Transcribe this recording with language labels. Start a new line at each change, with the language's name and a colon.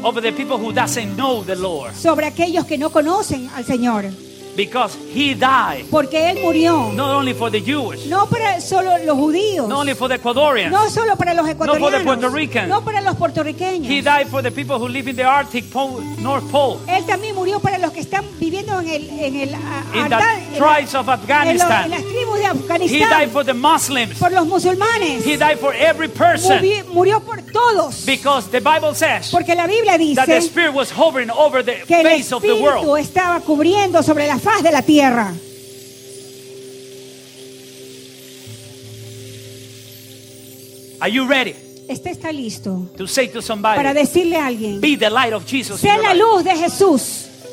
English: Over the people who doesn't know the Lord.
Spanish: Sobre aquellos que no conocen al Señor.
English: Because he died.
Spanish: Porque él murió.
English: Not only for the Jewish.
Spanish: No para solo los judíos.
English: Not only for the Ecuadorians.
Spanish: No solo para los ecuatorianos.
English: Not for the Puerto Ricans.
Spanish: No para los puertorriqueños.
English: He died for the people who live in the Arctic pole, North Pole.
Spanish: Él también murió para los que están viviendo en el
English: in the tribes of Afghanistan.
Spanish: En las tribus de Afganistán.
English: He died for the Muslims.
Spanish: Por los musulmanes.
English: He died for every person.
Spanish: Murió por todos.
English: Because the Bible says.
Spanish: Porque la Biblia dice.
English: That the Spirit was hovering over the face of the world.
Spanish: Que el Espíritu estaba cubriendo sobre la faz de la tierra.
English: Are you ready?
Spanish: ¿Usted está listo?
English: To say to somebody.
Spanish: Para decirle a alguien.
English: Be the light of Jesus.
Spanish: Sé la luz de Jesús.